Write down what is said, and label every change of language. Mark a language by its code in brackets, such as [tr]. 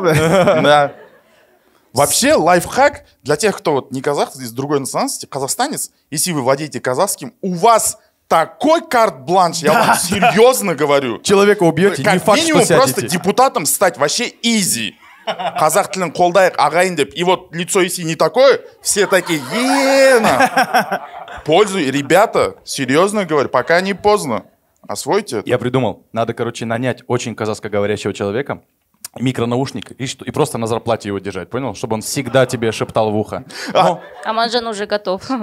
[ru] Да. Вообще, лайфхак для тех, кто вот не казах, из другой национальности, казахстанец, если вы владеете казахским, у вас такой карт-бланш, я вам серьезно говорю. Человека убьете, не факт, что сядете. Как минимум просто депутатом стать вообще изи. [kk] Казах тілін қолдайық, ағайын деп. [ru] И вот лицо если не такое, все такие, ена. Пользуй, ребята, серьезно говорю, пока не поздно. Освойте это. Я придумал, надо, короче, нанять очень казахскоговорящего человека, микронаушник, и просто на зарплате его держать, понял? Чтобы он всегда тебе шептал в ухо. А Манжан уже готов.